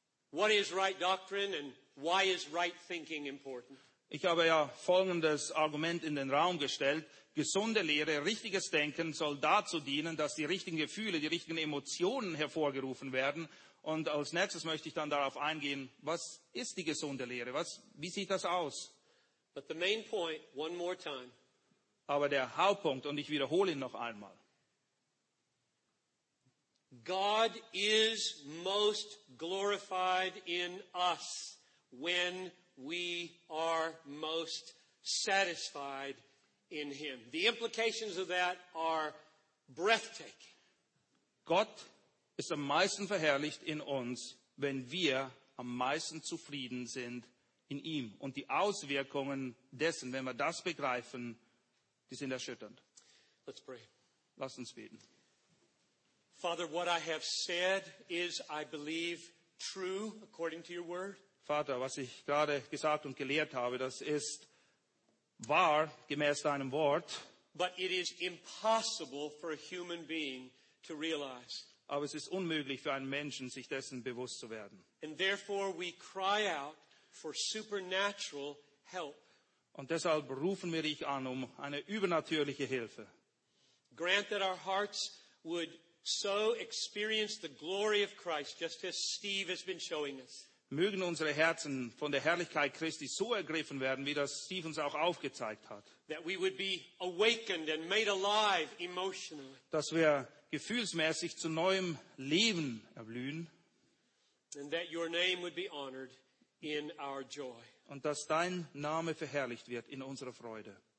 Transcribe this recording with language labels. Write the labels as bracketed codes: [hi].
[en] What is right doctrine and why is right thinking important? [de] Ich habe ja folgendes Argument in den Raum gestellt. Gesunde Lehre, richtiges Denken soll dazu dienen, dass die richtigen Gefühle, die richtigen Emotionen hervorgerufen werden. Und als nächstes möchte ich dann darauf eingehen, was ist die gesunde Lehre? Wie sieht das aus? [en] But the main point, one more time. [de] Aber der Hauptpunkt, und ich wiederhole ihn noch einmal. [en] God is most glorified in us when we are most satisfied in him. The implications of that are breathtaking. [de] Gott ist am meisten verherrlicht in uns, wenn wir am meisten zufrieden sind in ihm. Und die Auswirkungen dessen, wenn wir das begreifen, die sind erschütternd. [en] Let's pray. [de] Lass uns beten. [en] Father, what I have said is, I believe, true according to your word. [de] Vater, was ich gerade gesagt und gelehrt habe, das ist wahr gemäß deinem Wort. [en] But it is impossible for a human being to realize. [de] Aber es ist unmöglich für einen Menschen, sich dessen bewusst zu werden. [en] And therefore we cry out for supernatural help. [de] Und deshalb rufen wir dich an um eine übernatürliche Hilfe. [en] Grant that our hearts would so experience the glory of Christ, just as Steve has been showing us. [de] Mögen unsere Herzen von der Herrlichkeit Christi so ergriffen werden, wie das Steve uns auch aufgezeigt hat. [en] That we would be awakened and made alive emotionally. [de] Dass wir gefühlsmäßig zu neuem Leben erblühen. [en] And that your name would be honored in our joy. [de] Und dass dein Name verherrlicht wird in unserer Freude.